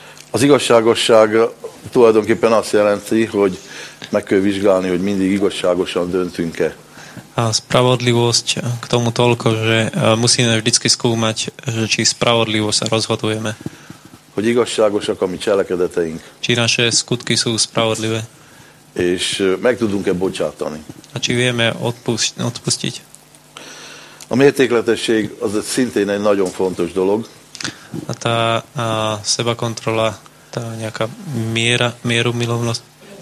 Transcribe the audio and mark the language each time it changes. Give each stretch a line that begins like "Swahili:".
Hungarian: Az igazságosság tulajdonképpen azt jelenti, hogy meg kell vizsgálni, hogy mindig igazságosan döntünk-e.
Slovak: A spravodlivosť k tomu toľko, že musíme vždycky skúmať, že či spravodlivo sa rozhodujeme.
Hungarian: Hogy igazságosak a mi cselekedeteink.
Slovak: Či naše skutky sú spravodlivé.
Hungarian: És meg tudunk-e bocsátani.
Slovak: A či vieme odpustiť.
Hungarian: A mértékletesség az szintén egy nagyon fontos dolog.
Slovak: A tá sebakontrola, tá nejaká miera, mieru milovnosť.